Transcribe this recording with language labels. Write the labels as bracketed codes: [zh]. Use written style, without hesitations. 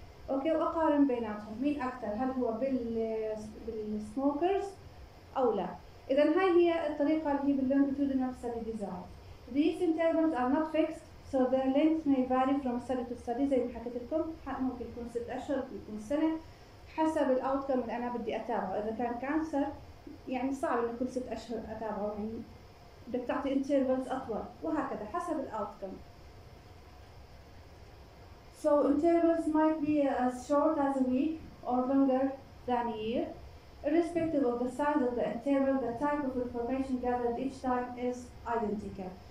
[ar] أوكي، وأقارن بيناتهم مين أكثر، هل هو بالsmokers أو لا. إذا هاي هي الطريقة اللي هي بالlongitudinal study design. [en] These intervals are not fixed, so their length may vary from study to study. [ar] زي ما حكيت لكم، ممكن يكون 6 أشهر، ممكن يكون سنة، حسب الأوتكم اللي أنا بدي أتابعه. إذا كان كانسر يعني صعب إنه كل 6 أشهر أتابعه، يعني بدك تعطي intervals أطول، وهكذا حسب الأوتكم. [en] So intervals might be as short as a week or longer than a year, irrespective of the size of the interval. The type of information gathered each time is identical.